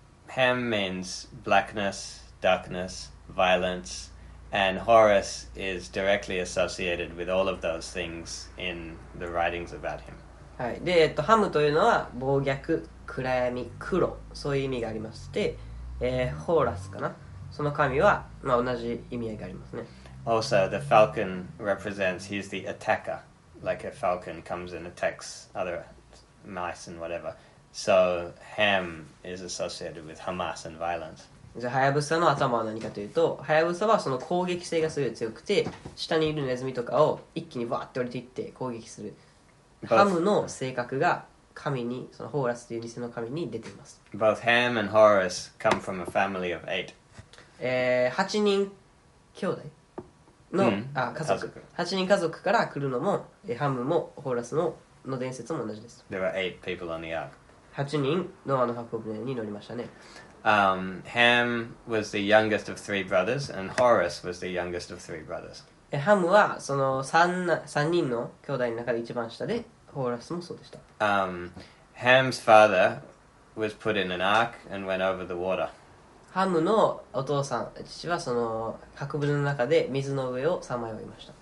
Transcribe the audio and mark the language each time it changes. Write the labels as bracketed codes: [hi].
[en] Ham means blackness, darkness, violence, and Horus is directly associated with all of those things in the writings about him. [ja] はい、で、ハムというのは暴虐、暗闇、黒、そういう意味がありまして、ホーラスかな、その神は、まあ、同じ意味合いがありますね。 [en] Also, the falcon represents, he's the attacker, like a falcon comes and attacks other mice and whatever. So, Ham is associated with Hamas and violence. [ja] じゃあ、ハヤブサの頭は何かというと、ハヤブサはその攻撃性がすごい強くて、下にいるネズミとかを一気にわーって降りていって攻撃する。 [en] Both, [ja] ハムの性格が神に、そのホーラスという偽の神に出ています。 [en] Both Ham and Horus come from a family of eight. [ja] 8人兄弟の、家族。8人家族から来るのも、ハムもホーラスの伝説も同じです。 [en] There are eight people on the ark. [ja] 8人ノアの箱舟に乗りましたね。 [en] Ham was the youngest of three brothers, and Horus was the youngest of three brothers. [ja] ハムはその 3人の兄弟の中で一番下で、ホーラスもそうでした。 [en] Ham's father was put in an ark and went over the water. [ja] ハムのお父さん、父はその博物の中で水の上をさまよいました。